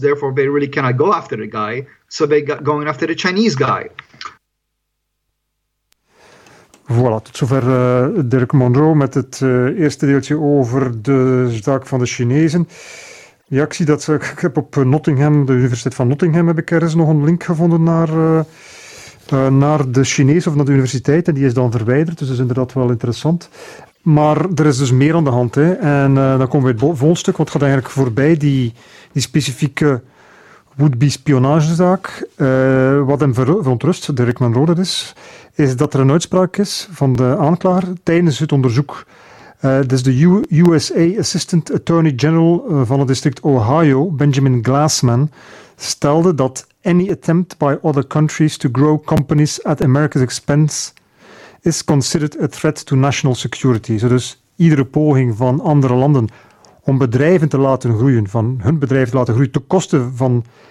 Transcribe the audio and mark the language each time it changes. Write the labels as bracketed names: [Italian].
[English] Therefore, they really cannot go after the guy. So they got going after the Chinese guy. [Dutch] Voilà, tot zover Dirk Monroe met het eerste deeltje over de zaak van de Chinezen. Ja, ik zie dat ik heb op Nottingham, de Universiteit van Nottingham, heb ik ergens nog een link gevonden naar de Chinezen of naar de universiteit. En die is dan verwijderd, dus dat is inderdaad wel interessant. Maar er is dus meer aan de hand. Hè. En dan komen we bij het volgende stuk, wat gaat eigenlijk voorbij, die specifieke would-be spionagezaak. Wat hem verontrust, Dirk Monroe, dat is dat er een uitspraak is van de aanklager tijdens het onderzoek. Dus de USA Assistant Attorney General van het district Ohio, Benjamin Glassman, stelde dat [English] any attempt by other countries to grow companies at America's expense is considered a threat to national security. [Dutch] So dus iedere poging van andere landen om bedrijven te laten groeien, van hun bedrijf te laten groeien, te kosten van